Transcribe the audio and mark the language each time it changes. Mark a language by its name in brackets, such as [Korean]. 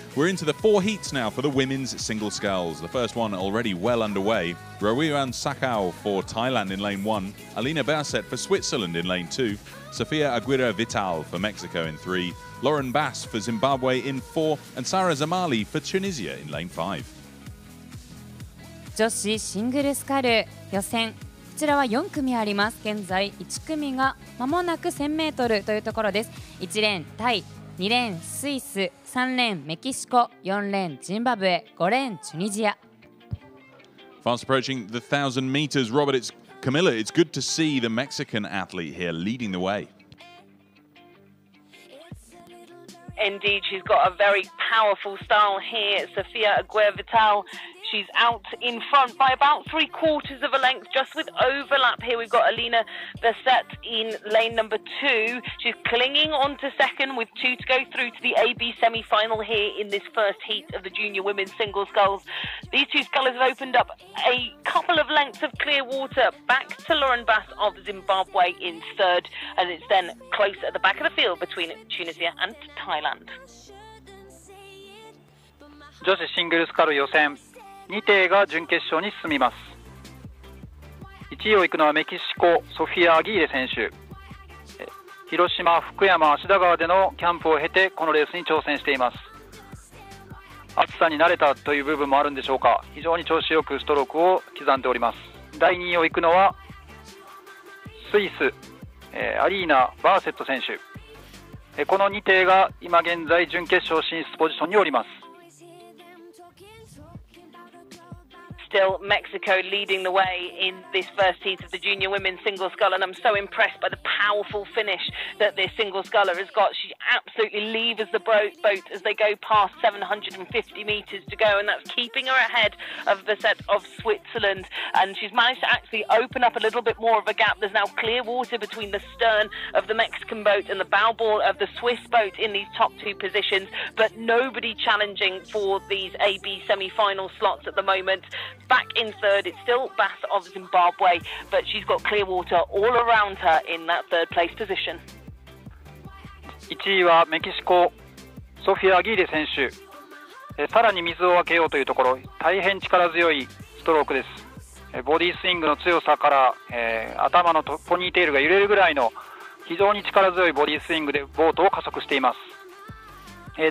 [English] We're into the four heats now for the women's single sculls. The first one already well underway. Rowiran Sakau for Thailand in lane one. Alina Berset for Switzerland in lane two. Sofia Aguirre-Vital for Mexico in three. Lauren Bass for Zimbabwe in four. And Sara Zamali for Tunisia in lane five. [Japanese] 女子シングルスカル予選。こちらは4組あります。現在1組が間もなく 1000m というところです。 1レーンタイ、2レーンスイス、3レーンメキシコ、4レーンジンバブエ、5レーンチュニジア。 [English] Fast approaching the 1000 meters. Robert, it's Camilla. It's good to see the Mexican athlete here leading the way. Indeed, she's got a very powerful style here, Sofia Aguirre-Vital. She's out in front by about three quarters of a length, just with overlap. Here we've got Alina Berset in lane number two. She's clinging on to second with two to go through to the AB semi-final here in this first heat of the junior women's single sculls. These two sculls have opened up a couple of lengths of clear water back to Lauren Bass of Zimbabwe in third, and it's then close at the back of the field between Tunisia and Thailand. [Japanese] 女子シングルスカル予選2艇が準決勝に進みます。 1位を行くのはメキシコ、ソフィア・アギーレ選手。広島、福山、芦田川でのキャンプを経てこのレースに挑戦しています。暑さに慣れたという部分もあるんでしょうか。非常に調子よくストロークを刻んでおります。第2位を行くのはスイス、アリーナ・バーセット選手。この2艇が今現在準決勝進出ポジションにおります。 [English] still Mexico leading the way in this first heat of the junior women's single sculler, and I'm so impressed by the powerful finish that this single sculler has got. She absolutely levers the boat as they go past 750 metres to go, and that's keeping her ahead of the set of Switzerland, and she's managed to actually open up a little bit more of a gap. There's now clear water between the stern of the Mexican boat and the bow ball of the Swiss boat in these top two positions, but nobody challenging for these AB semi-final slots at the moment. Back in third, it's still Bass of Zimbabwe, but she's got clear water all around her in that third place position. [Japanese] 1位はメキシコ、ソフィア・アギーレ選手。さらに水をあけようというところ、大変力強いストロークです。ボディスイングの強さから、頭のポニーテールが揺れるぐらいの非常に力強いボディスイングでボートを加速しています。